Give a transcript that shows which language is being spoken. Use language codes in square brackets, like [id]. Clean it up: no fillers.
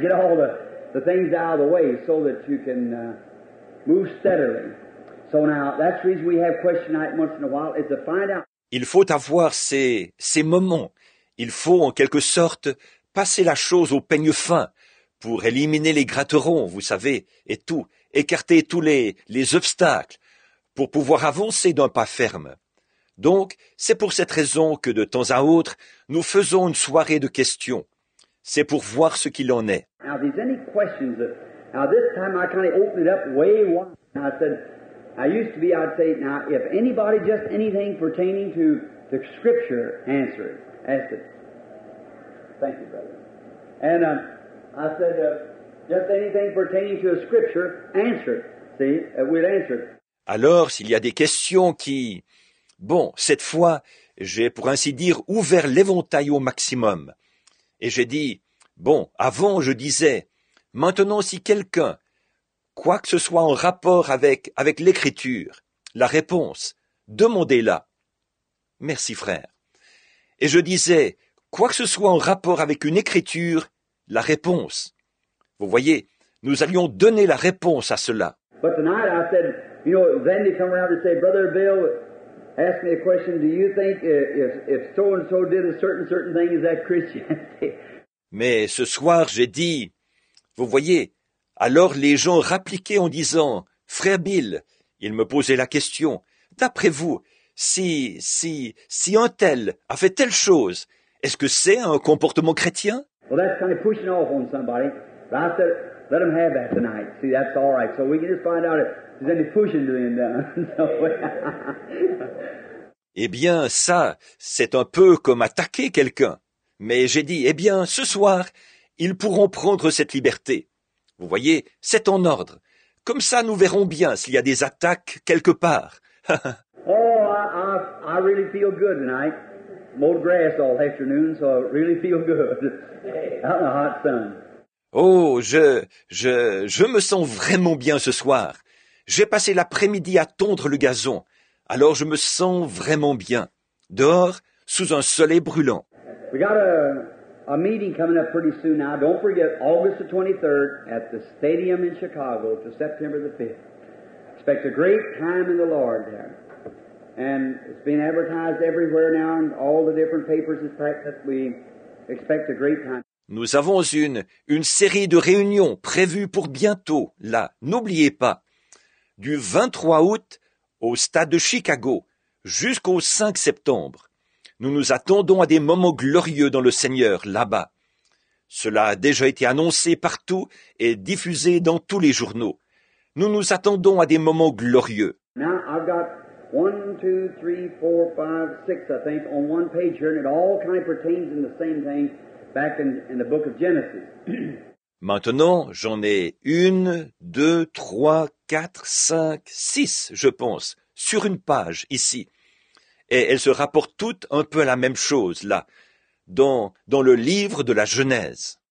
[en] Get all the things out of the way so that you can move steadily. So now, that's the reason we have question night once in a while, is to find out. [fr] Il faut avoir ces moments. Il faut, en quelque sorte, passer la chose au peigne fin pour éliminer les gratterons, vous savez, et tout, écarter tous les obstacles pour pouvoir avancer d'un pas ferme. Donc, c'est pour cette raison que, de temps à autre, nous faisons une soirée de questions. C'est pour voir ce qu'il en est. [en] Now, there's any questions that, now, this time, I kind of opened it up way wide. I said, I used to be, I'd say, now, if anybody, just anything pertaining to the Scripture, answer it. Ask it. Thank you, brother. And I said, just anything pertaining to the Scripture, answer it. See, we'd answer it. [fr] Alors, s'il y a des questions qui... Bon, cette fois, j'ai, pour ainsi dire, ouvert l'éventail au maximum. Et j'ai dit, bon, avant, je disais, maintenant, si quelqu'un... Quoi que ce soit en rapport avec l'Écriture, la réponse, demandez-la. Merci, frère. Et je disais, quoi que ce soit en rapport avec une Écriture, la réponse. Vous voyez, nous allions donner la réponse à cela. [en] But tonight I said, you know, Vandy come around and say, Brother Bill, ask me a question. Do you think if so and so did a certain thing, is that Christianity? [fr] Mais ce soir, j'ai dit, vous voyez, alors les gens répliquaient en disant, « Frère Bill, il me posait la question, d'après vous, si un tel a fait telle chose, est-ce que c'est un comportement chrétien ?» [en] Well, that's kind of pushing off on somebody. But I said, let them have that tonight. See, that's all right. So we can just find out if there's any pushing to them. [fr] Eh bien, ça, c'est un peu comme attaquer quelqu'un. Mais j'ai dit, eh bien, ce soir, ils pourront prendre cette liberté. Vous voyez, c'est en ordre. Comme ça, nous verrons bien s'il y a des attaques quelque part. [en] Oh, I really feel good tonight. Mowed grass all afternoon, so I really feel good. Out in the hot sun. [fr] Oh, je me sens vraiment bien ce soir. J'ai passé l'après-midi à tondre le gazon. Alors, je me sens vraiment bien. Dehors, sous un soleil brûlant. [en] We got a meeting coming up pretty soon now. Don't forget, August the 23rd at the stadium in Chicago to September the 5th. Expect a great time in the Lord there. And it's been advertised everywhere now in all the different papers. In fact, that we expect a great time. [fr] Nous avons une série de réunions prévues pour bientôt, là, n'oubliez pas, du 23 août au stade de Chicago jusqu'au 5 septembre. Nous nous attendons à des moments glorieux dans le Seigneur, là-bas. Cela a déjà été annoncé partout et diffusé dans tous les journaux. Nous nous attendons à des moments glorieux. [en] Now, I've got 1, 2, 3, 4, 5, 6, I think, on one page here, and it all kind of pertains in the same thing back in the book of Genesis. [fr] Maintenant, j'en ai une, deux, trois, quatre, cinq, six, je pense, sur une page ici. Et elles se rapportent toutes un peu à la même chose, là, dans le livre de la Genèse.